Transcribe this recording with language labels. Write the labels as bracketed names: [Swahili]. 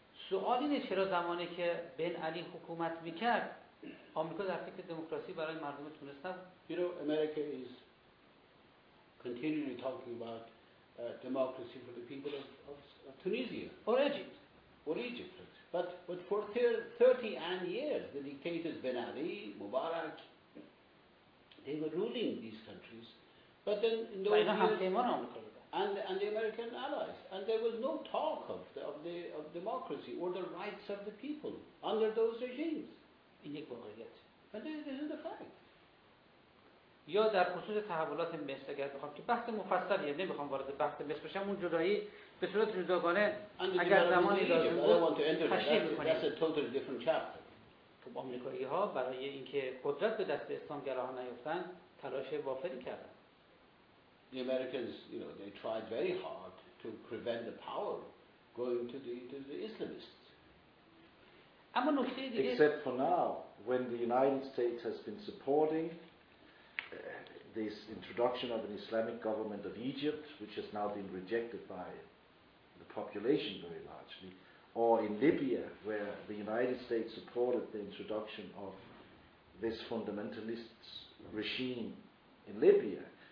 [Persian] سوال اینه چرا زمانی که بن علی حکومت میکرد آمریکا در فکر دموکراسی برای مردم تونس نبود؟ [English] You know, America is continually talking about democracy for the people of Tunisia. Or Egypt. But for 30 and years, the dictators Ben Ali, Mubarak, they were ruling these countries. But then in those years, and the American allies, and there was no talk of democracy or the rights of the people under those regimes. [Persian] این یک واقعیت. [English] And this is a fact. [Persian] یا در خصوص تحولات مصر اگر بخوام که بحث مفصلیه، نمیخوام وارد بحث مصر بشم، اون جدایی به صورت جداگانه اگر زمانی لازم بود تشریح می‌کنیم. خب آمریکایی‌ها برای اینکه قدرت به دست اسلام‌گراها نیفتن تلاش وافری کردن. [English] The Americans, you know, they tried very hard to prevent the power going to the Islamists. Except for now, when the United States has been supporting this introduction of an Islamic government of Egypt, which has now been rejected by the population very largely, or in Libya, where the United States supported the introduction of this fundamentalist regime in Libya.